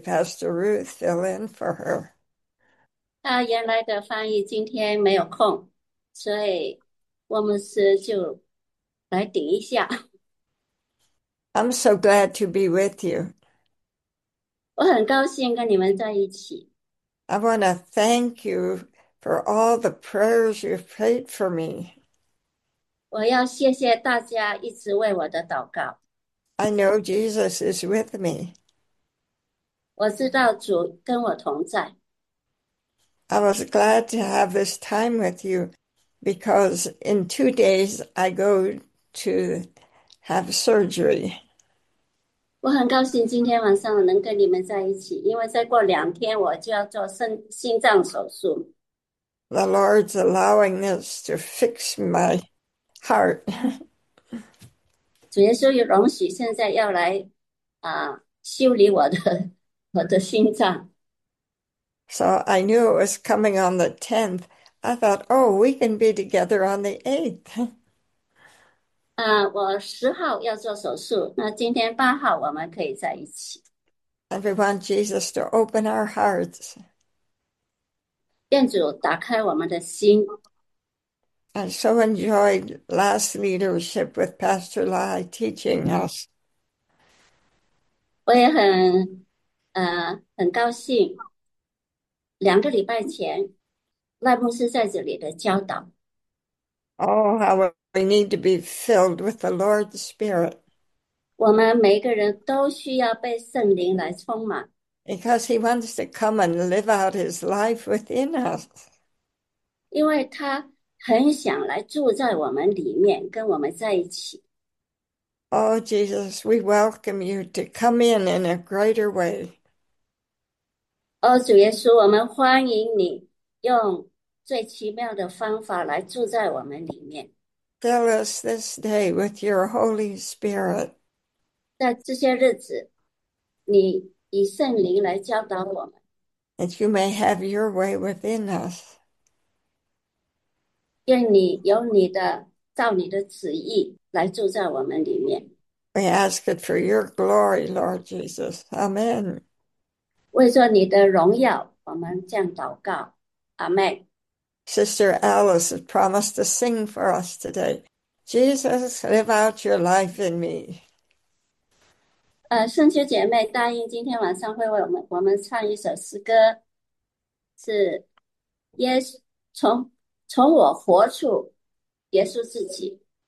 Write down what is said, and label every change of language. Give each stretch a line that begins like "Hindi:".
English: Pastor Ruth, fill in for her.
Chinese: 他原来的翻译今天没有空，所以我们是就来顶一下。
English: I'm so glad to be with you.
Chinese: 我很高兴跟你们在一起。
English: I want to thank you for all the prayers you've prayed for me.
Chinese: 我要谢谢大家一直为我的祷告。
English: I know Jesus is with me.
Chinese: 我知道主跟我同在。
English: I was glad to have this time with you because in 2 days I go to have surgery.
Chinese: 我很高兴今天晚上能跟你们在一起，因为再过2天我就要做心脏手术。
English: The Lord's allowing this to fix my heart.
Chinese: 主耶稣也容许现在要来修理我的心脏。
English: So I knew it was coming on the 10th. I thought, oh, we can be together on the 8th.
Chinese: 我10号要做手术，那今天8号我们可以在一起。
English: And we want Jesus to open our hearts.
Chinese: 愿主打开我们的心。
English: I so enjoyed last leadership with Pastor Lai teaching us.
Chinese: 我也很高兴，2个礼拜前赖牧师在这里的教导。
English: Oh, how we need to be filled with the Lord's Spirit.
Chinese: 我们每一个人都需要被圣灵来充满。
English: Because he wants to come and live out his life within us.
Chinese: 因为他很想来住在我们里面，跟我们在一起。
English: Oh, Jesus, we welcome you to come in a greater way.
Chinese: Oh, 主耶稣，我们欢迎你用最奇妙的方法来住在我们里面。
English: Fill us this day with your Holy Spirit.
Chinese: 在这些日子，你以圣灵来教导我们，
English: That you may have your way within us.
Chinese: 愿你有你的，照你的旨意来住在我们里面。
English: We ask it for your glory, Lord Jesus. Amen.
Chinese: 为着你的荣耀，我们这样祷告，阿门。
English: Sister Alice has promised to sing for us today. Jesus, live out your life in me.
Chinese: 圣秋姐妹答应今天晚上会为我们唱一首诗歌，是耶稣从我活处，耶稣自己，